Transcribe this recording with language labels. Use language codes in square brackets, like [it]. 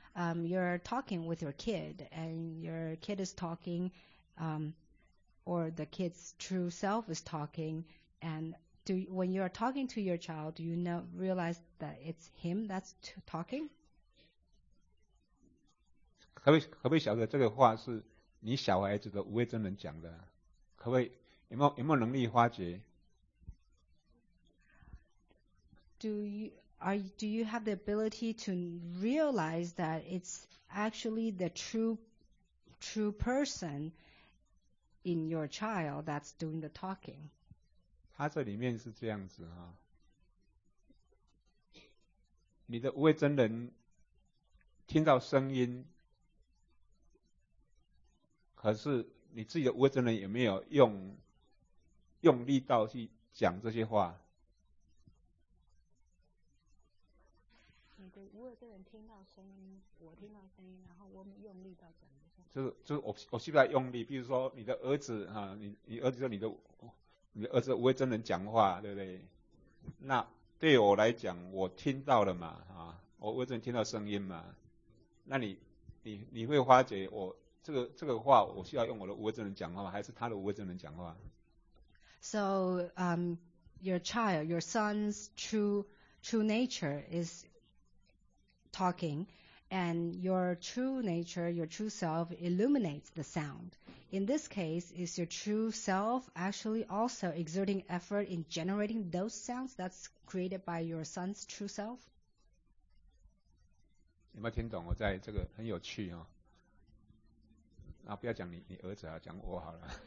[en] You're talking with your kid, and your kid is talking, or the kid's true self is talking. And when you are talking to your child, do you not realize that it's him that's talking? [zh] 可不可以晓得这个话是你小孩子的无畏真人讲的？有没有能力发觉？ Do you have the ability to realize that it's actually the true person in your child that's doing the talking? 他这里面是这样子啊，你的无畏真人听到声音，可是你自己的无畏真人有没有用力道去讲这些话？无畏真人听到声音，我听到声音，然后我用力到讲的话，就是我是不是用力？比如说你的儿子哈、啊，你儿子说你的儿子无畏真人讲话，对不对？那对我来讲，我听到了嘛啊，我无畏真人听到声音嘛，那你会发觉我这个话，我需要用我的无畏真人讲话吗？还是他的无畏真人讲话 [en] ？So your child, your son's true nature is talking, and your true nature, your true self illuminates the sound. In this case, is your true self actually also exerting effort in generating those sounds that's created by your son's true self? [zh] 有没有听懂？我在这个很有趣哦。啊，不要讲你儿子啊，讲我好了。